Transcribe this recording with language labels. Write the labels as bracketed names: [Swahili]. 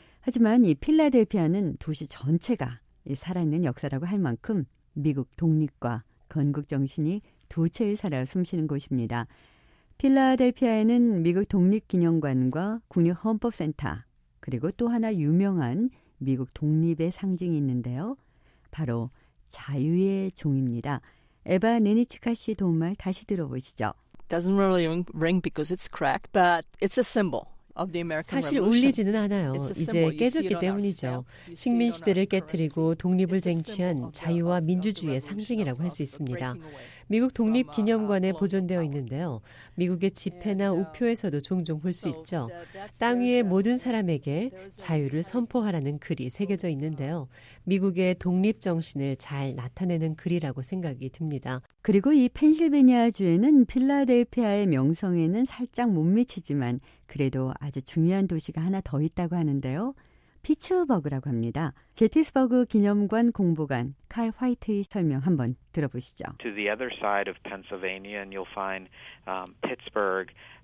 [Korean] 하지만 이 필라델피아는 도시 전체가 살아있는 역사라고 할 만큼 미국 독립과 건국 정신이 도체에 살아 숨쉬는 곳입니다. 필라델피아에는 미국 독립기념관과 국립헌법센터, 그리고 또 하나 유명한 미국 독립의 상징이 있는데요. 바로 자유의 종입니다. 에바 네니치카 씨 도움 말 다시 들어보시죠. [English] Doesn't really ring because it's cracked, but it's a symbol. [Korean] 사실 울리지는 않아요. 이제 깨졌기 때문이죠. 식민시대를 깨뜨리고 독립을 쟁취한 자유와 민주주의의 상징이라고 할 수 있습니다. 미국 독립기념관에 보존되어 있는데요. 미국의 집회나 우표에서도 종종 볼 수 있죠. 땅 위의 모든 사람에게 자유를 선포하라는 글이 새겨져 있는데요. 미국의 독립정신을 잘 나타내는 글이라고 생각이 듭니다. 그리고 이 펜실베니아주에는 필라델피아의 명성에는 살짝 못 미치지만 그래도 아주 중요한 도시가 하나 더 있다고 하는데요. 피츠버그라고 합니다. 게티스버그 기념관 공보관 칼 화이트의 설명 한번 들어보시죠. [English] To the other side of Pennsylvania and you'll find Pittsburgh.